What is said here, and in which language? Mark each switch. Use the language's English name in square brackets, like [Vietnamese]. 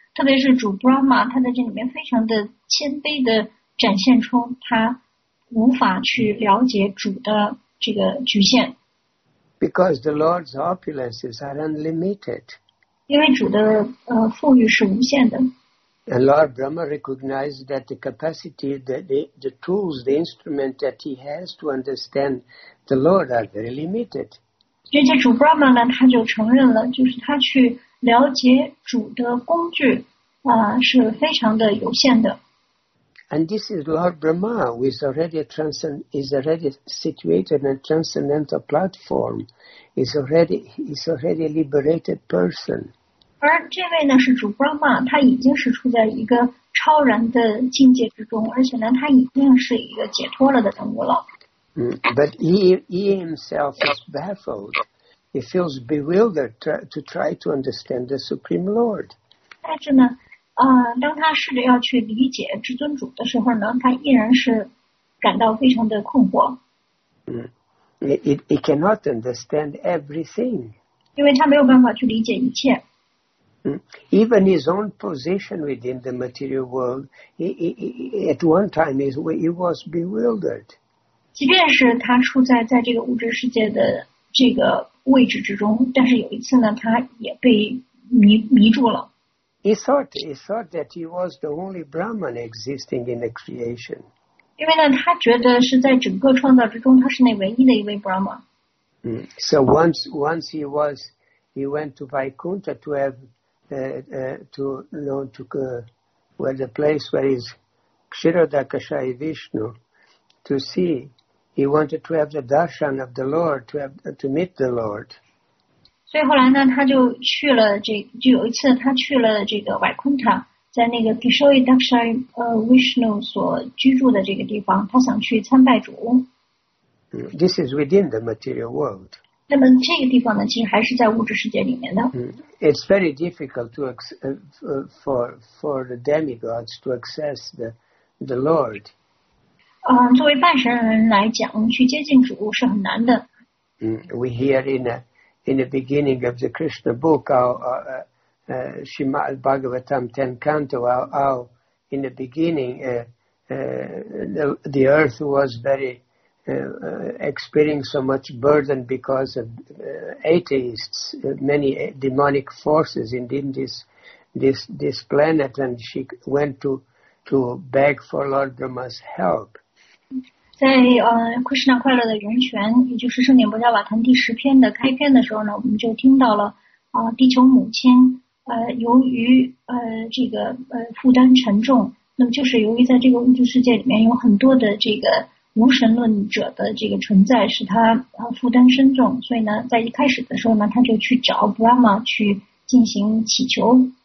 [Chinese] 特别是主 Brahma， 他在这里面非常的谦卑的展现出他无法去了解主的这个局限。 [English] Because the Lord's opulences are unlimited. [Chinese] 因为主的富裕是无限的。 [English] And Lord Brahma recognized that the capacity, that the tools, the instrument that he has to understand the Lord are very limited. [Chinese] 这些主 Brahma 呢，他就承认了，就是他去了解主的工具是非常的有限的。 [English] And this is Lord Brahma, who is already situated on a transcendental platform, is already a liberated person. [Chinese] 而这位呢是主 Brahma， 他已经是处在一个超然的境界之中，而且呢，他已经是一个解脱了的人物了。 [English] But he himself is baffled. He feels bewildered to try to understand the Supreme Lord. [Chinese] 但是呢，当他试着要去理解至尊主的时候呢，他依然是感到非常的困惑。 [English] He cannot understand everything. [Chinese] 因为他没有办法去理解一切。 [English] Even his own position within the material world, at one time he was bewildered. [Chinese] 即便是他处在这个物质世界的这个位置之中，但是有一次呢，他也被迷住了。 [English] He thought that he was the only Brahman existing in the creation. [Chinese] 因为呢，他觉得是在整个创造之中，他是那唯一的一位 Brahman。 [English] So once he went to Vaikuntha to have where the place where is Kshiradakshaya Vishnu to see, he wanted to have the darshan of the Lord, to meet the Lord. [Chinese] 所以后来呢，他就去了就有一次他去了这个外昆塔，在那个 Kshiradakshaya Vishnu 所居住的这个地方，他想去参拜主。 [English] This is within the material world. [Chinese] 那么这个地方呢，其实还是在物质世界里面的。 [English] It's very difficult to for the demigods to access the Lord. [Chinese] 作为半神人来讲，去接近主是很难的。 [English] We hear in the beginning of the Krishna book, Srimad Bhagavatam 10th canto, how in the beginning the earth was very experiencing so much burden because of atheists, many demonic forces in this planet, and she went to beg for Lord Brahma's help. [Chinese] 在Krishna 快乐的源泉，也就是圣典波迦瓦坛第十篇的开篇的时候呢，我们就听到了地球母亲由于负担沉重，那么就是由于在这个物质世界里面有很多的这个无神论者的这个存在使他负担深重，所以呢，在一开始的时候呢，他就去找 Brahma 去进行祈求。